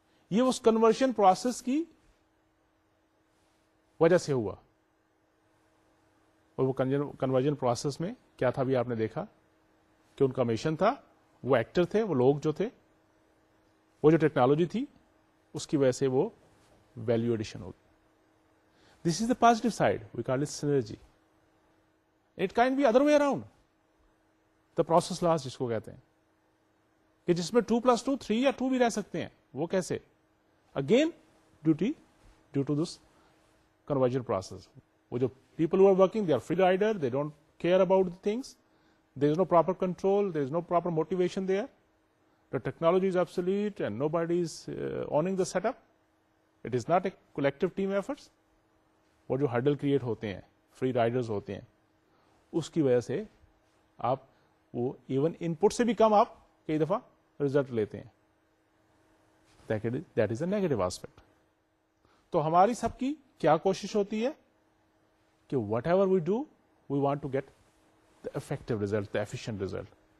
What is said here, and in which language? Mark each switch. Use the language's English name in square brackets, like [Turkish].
[Urdu] یہ اس conversion process کی وجہ سے ہوا, اور وہ کنورژن پروسیس میں کیا تھا بھی آپ نے دیکھا کہ ان کا مشن تھا, وہ ایکٹر تھے, وہ لوگ جو تھے, وہ جو ٹیکنالوجی تھی اس کی وجہ سے وہ ویلیو ایڈیشن ہوگی. [English] This is the positive side, we call it synergy. It can be other way around, the process loss [Urdu] جس کو کہتے ہیں, کہ جس میں 2+2 3 یا 2 بھی رہ سکتے ہیں, وہ کیسے؟ [English] Again due to this conversion process. وہ جو people who are working, they are free rider, they don't care about the things, there is no proper control, there is no proper motivation there, the technology is obsolete and nobody is owning the set up, it is not a collective team efforts. [Urdu] وہ جو hurdle create ہوتے ہیں, free riders ہوتے ہیں, اس کی وجہ سے آپ وہ ایون ان پٹ سے بھی کم آپ کئی دفعہ ریزلٹ لیتے ہیں. [English] That is a negative aspect. [Urdu] تو ہماری سب کی کیا کوشش ہوتی ہے کہ [English] Whatever we do we want to get the effective result, the efficient result.